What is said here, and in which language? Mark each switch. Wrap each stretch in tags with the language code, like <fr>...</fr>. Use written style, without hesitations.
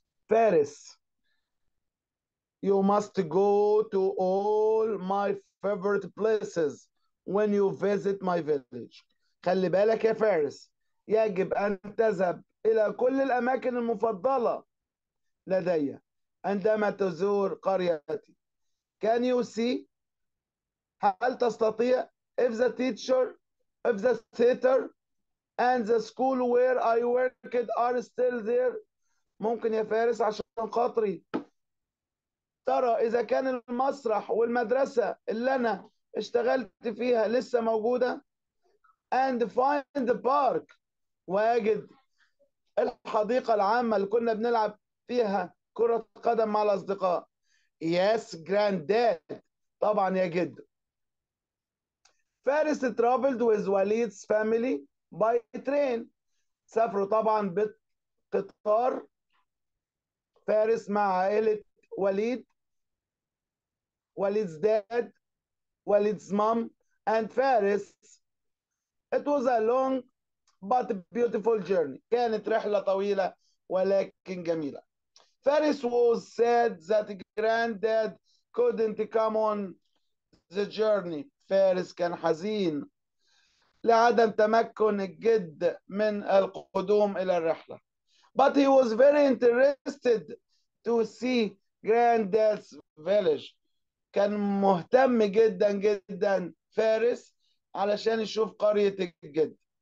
<ar>فارس،</ar> <en>you must go to all my favorite places when you visit my village،</en> <ar>خلي بالك يا فارس، يجب أن تذهب إلى كل الأماكن المفضلة لدي عندما تزور قريتي.</ar> <en>Can you see،</en> <ar>هل تستطيع؟</ar> <en>If the teacher, if the theater and the school where I worked are still there،</en> <ar>ممكن يا فارس عشان خاطري ترى إذا كان المسرح والمدرسة اللي أنا اشتغلت فيها لسه موجودة.</ar> <en>and find the park،</en> <ar>واجد الحديقة العامة اللي كنا بنلعب فيها كرة قدم مع الأصدقاء.</ar> <en>yes granddad،</en> <ar>طبعا يا جد.</ar> <en>Faris traveled with Walid's family by train،</en> <ar>سافروا طبعا بقطار فارس مع عائلة وليد،</ar> <en>Walid's dad، Walid's mom and Faris. It was a long but beautiful journey،</en> <ar>كانت رحلة طويلة ولكن جميلة. فارس</ar> <en>was sad that granddad couldn't come on the journey،</en> <ar>فارس كان حزين لعدم تمكن الجد من القدوم إلى الرحلة.</ar> <en>But he was very interested to see granddad's village،</en> <ar>كان مهتم جدا جدا فارس علشان يشوف قرية الجد.</ar>